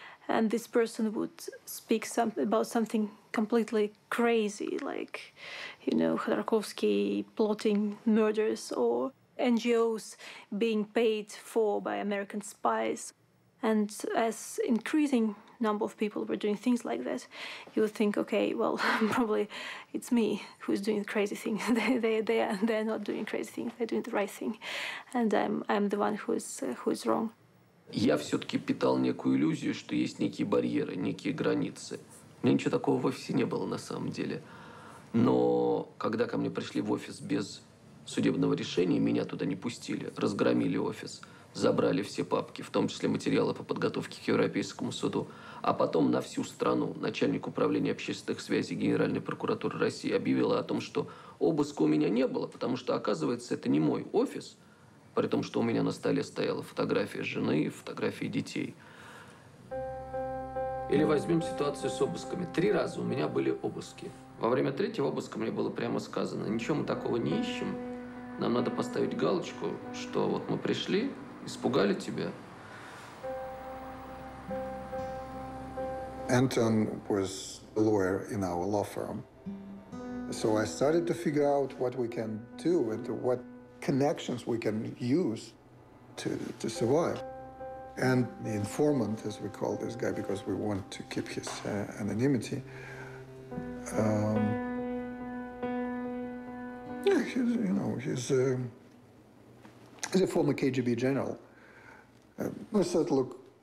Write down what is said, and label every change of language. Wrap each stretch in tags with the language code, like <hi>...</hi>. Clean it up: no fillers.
<en>And this person would speak about something completely crazy, like, you know, Khodorkovsky plotting murders or NGOs being paid for by American spies. And as increasing number of people were doing things like that, you would think, okay, well, probably it's me who's doing the crazy thing. they're not doing crazy things, they're doing the right thing. And I'm the one who's wrong.</en> <ru>Я все-таки питал некую иллюзию, что есть некие барьеры, некие границы. У меня ничего такого в офисе не было на самом деле. Но когда ко мне пришли в офис без судебного решения, меня туда не пустили, разгромили офис, забрали все папки, в том числе материалы по подготовке к Европейскому суду. А потом на всю страну начальник управления общественных связей Генеральной прокуратуры России объявила о том, что обыска у меня не было, потому что, оказывается, это не мой офис. При том, что у меня на столе стояла фотография жены и фотографии детей. Или возьмем ситуацию с обысками. Три раза у меня были обыски. Во время третьего обыска мне было прямо сказано, ничего мы такого не ищем, нам надо поставить галочку, что вот мы пришли, испугали тебя.</ru> <en>Anton was a lawyer in our law firm. So I started to figure out what we can do and what connections we can use to survive. And the informant, as we call this guy, because we want to keep his anonymity, he's, you know, he's a former KGB general. I said, look,</en>